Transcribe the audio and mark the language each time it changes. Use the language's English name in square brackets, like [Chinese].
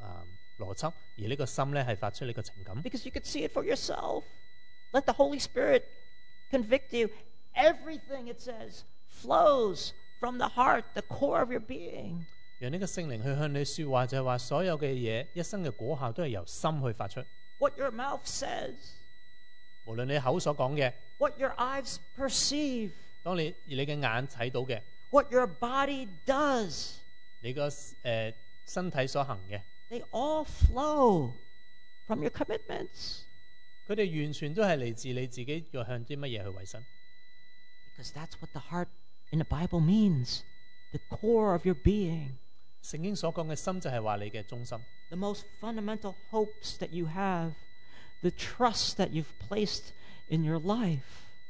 [Chinese] 圣经并没有说到说我们的脑袋去发出这个逻辑,而这个心是发出这个情感。 [English] Because you could see it for yourself. Let the Holy Spirit convict you. Everything, it says, flows from the heart, the core of your being. [Chinese] 让这个圣灵去向你说话,就是说所有的东西,一生的果效都是由心去发出。 [English] What your mouth says. [Chinese] 无论你口所说的, [English] What your eyes perceive. [Chinese] 当你的眼睛看到的, [English] What your body does. [Chinese] 你的身体所行的, [English] They all flow from your commitments. [Chinese] 他们完全都是来自你自己要向什么去委身。 [English] Because that's what the heart in the Bible means. The core of your being. [Chinese] 圣经所说的心就是说你的中心。 [English] The most fundamental hopes that you have. The trust that you've placed in your life.